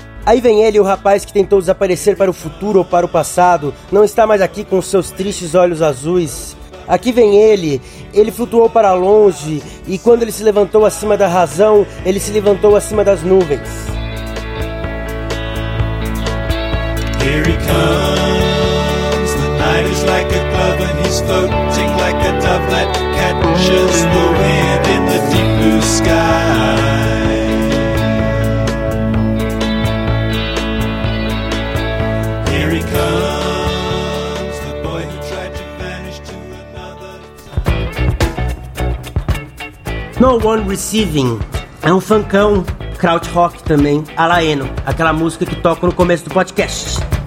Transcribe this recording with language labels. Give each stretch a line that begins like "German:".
Portuguese: Aí vem ele, o rapaz que tentou desaparecer para o futuro ou para o passado, não está mais aqui com seus tristes olhos azuis. Aqui vem ele, ele flutuou para longe, e quando ele se levantou acima da razão, ele se levantou acima das nuvens.
English: Here he comes, the night is like a glove and he's floating like a dove that catches the wind in the deep blue sky. Here he comes, the boy who tried to vanish to another time.
Portuguese: No One Receiving é um funkão krautrock também, a la Eno, aquela música que toca no começo do podcast.